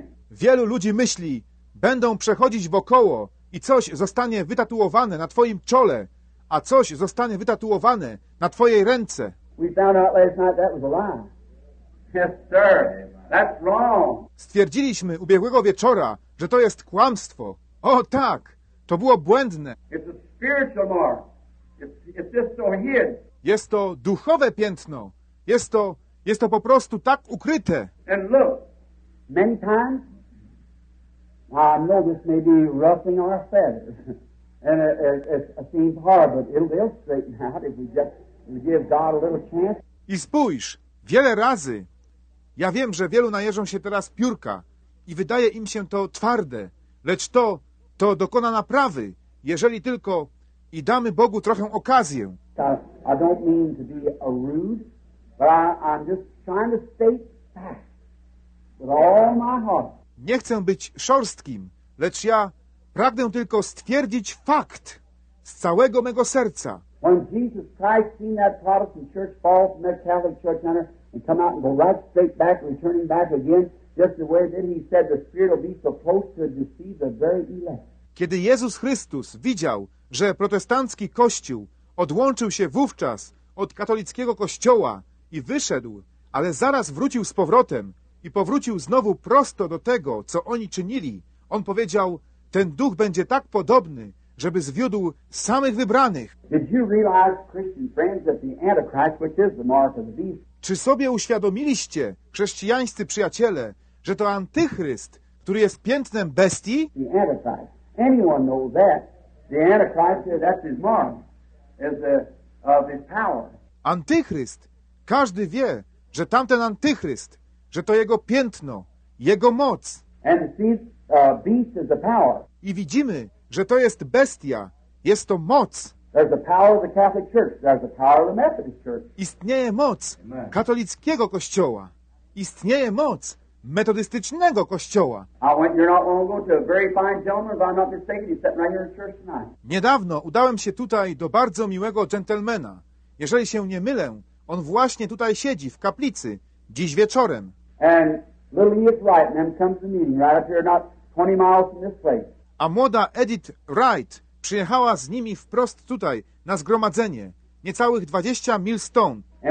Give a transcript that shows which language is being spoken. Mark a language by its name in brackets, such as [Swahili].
[Polish] Wielu ludzi myśli, będą przechodzić wokoło i coś zostanie wytatuowane na twoim czole, a coś zostanie wytatuowane na twojej ręce. [English] We found out last night that was a lie. Yes, sir. That's wrong. [Polish] Stwierdziliśmy ubiegłego wieczora, że to jest kłamstwo. O tak, to było błędne. [English] It's a spiritual mark. It's just so hidden. [Polish] Jest to duchowe piętno. Jest to po prostu tak ukryte. [English] And look, many times, I know this may be ruffling our feathers, and it seems hard, but it'll straighten out if we just give God a little chance. [Polish] I spójrz, wiele razy. Ja wiem, że wielu najeżą się teraz piórka i wydaje im się to twarde, lecz to dokona naprawy, jeżeli tylko i damy Bogu trochę okazję. [English] I don't mean to be a rude, but I'm just trying to state facts with all my heart. [Polish] Nie chcę być szorstkim, lecz ja pragnę tylko stwierdzić fakt z całego mego serca. [English] When Jesus Christ seen that Protestant church fall from their Catholic church under, and come out and go right straight back, returning back again, just the way that he said the Spirit will be supposed to deceive the very elect. [Polish] Kiedy Jezus Chrystus widział, że protestancki kościół odłączył się wówczas od katolickiego kościoła i wyszedł, ale zaraz wrócił z powrotem i powrócił znowu prosto do tego, co oni czynili, on powiedział, ten duch będzie tak podobny, żeby zwiódł samych wybranych. [English] Did you realize, Christian friends, that the Antichrist, which is the mark of the beast, [Polish] czy sobie uświadomiliście, chrześcijańscy przyjaciele, że to Antychryst, który jest piętnem bestii? [English] The Antichrist. Anyone knows that. The Antichrist, that's his mark, is of his power. [Polish] Antychryst. Każdy wie, że tamten Antychryst, że to jego piętno, jego moc. [English] And see, beast is the power. [Polish] I widzimy, że to jest bestia, jest to moc. [English] There's the power of the Catholic Church. There's the power of the Methodist Church. [Polish] Istnieje moc katolickiego kościoła. Istnieje moc metodystycznego kościoła. [English] I went, you're not long ago, to a very fine gentleman, if I'm not mistaken, he's sitting right here in church tonight. [Polish] Niedawno udałem się tutaj do bardzo miłego dżentelmena. Jeżeli się nie mylę, on właśnie tutaj siedzi w kaplicy dziś wieczorem. [English] And little Edith Wright and them comes to meeting right up here, not 20 miles from this place. [Polish] A młoda Edith Wright przyjechała z nimi wprost tutaj, na zgromadzenie, niecałych 20 mil stąd.